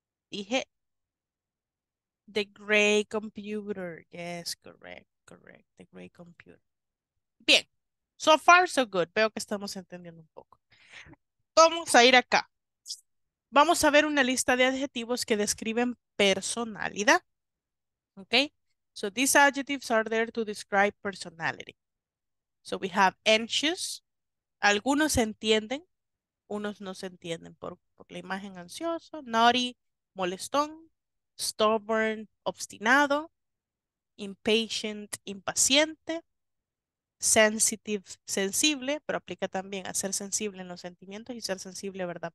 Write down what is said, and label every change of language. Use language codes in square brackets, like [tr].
[es] Dije [en] the gray computer. Yes, correct, correct, the gray computer. Bien, so far so good. [es] Veo que estamos entendiendo un poco. Vamos a ir acá. Vamos a ver una lista de adjetivos que describen personalidad. [en] Ok, so these adjectives are there to describe personality. So we have anxious. [es] Algunos se entienden, unos no se entienden por la imagen ansioso, naughty, molestón, stubborn, obstinado, impatient, impaciente, sensitive, sensible, pero aplica también a ser sensible en los sentimientos y ser sensible, ¿verdad?